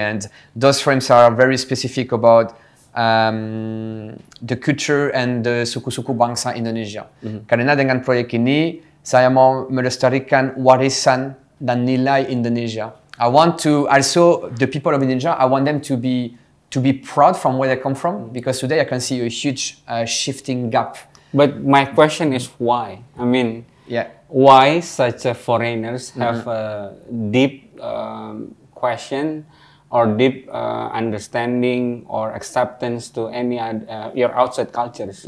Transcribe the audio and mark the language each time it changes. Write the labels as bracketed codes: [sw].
[en] And those frames are very specific about the culture and the [id] suku-suku bangsa Indonesia. Mm-hmm. Karena dengan proyek ini, saya mau melestarikan warisan dan nilai Indonesia. [en] I want to also the people of Indonesia. I want them to be proud from where they come from, because today I can see a huge shifting gap. But my question is why? I mean, yeah, why such a foreigners have a deep question or deep understanding or acceptance to any your outside cultures?